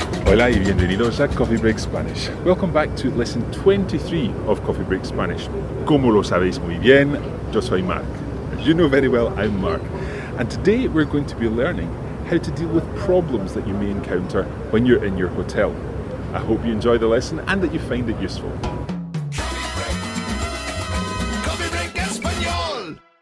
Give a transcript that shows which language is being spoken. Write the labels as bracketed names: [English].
[Spanish] Hola y bienvenidos a Coffee Break Spanish. [English] Welcome back to lesson 23 of Coffee Break Spanish. [Spanish] Como lo sabéis muy bien, yo soy Mark. [English] As you know very well, I'm Mark. And today we're going to be learning how to deal with problems that you may encounter when you're in your hotel. I hope you enjoy the lesson and that you find it useful. Coffee Break Español!